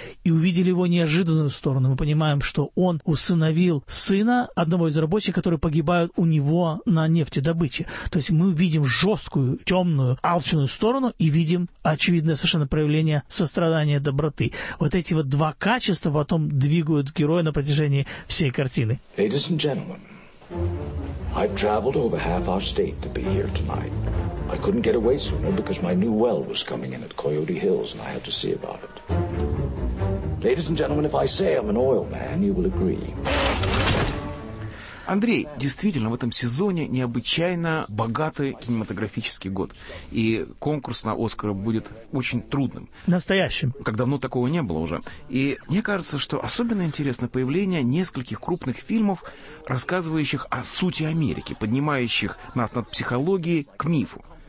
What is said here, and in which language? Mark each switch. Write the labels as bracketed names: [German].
[Russian] И увидели его неожиданную сторону. Мы понимаем, что он усыновил сына одного из рабочих, который погибает у него на нефтедобыче. То есть мы видим жесткую, темную, алчную сторону и видим очевидное совершенно проявление сострадания, доброты. Вот эти вот два качества потом двигают героя на протяжении всей картины. [English] Ladies and gentlemen, I've traveled over half our state to be here tonight. I couldn't get away sooner because my new well was coming in at Coyote Hills and I had to see about it. Ladies and gentlemen, if I say I'm an oil man, you will agree. [Russian] Андрей, действительно, в этом сезоне необычайно богатый кинематографический год. И конкурс на «Оскар» будет очень трудным. Настоящим. Как давно такого не было уже. И мне кажется, что особенно интересно появление нескольких крупных фильмов, рассказывающих о сути Америки, поднимающих нас над психологией к мифу.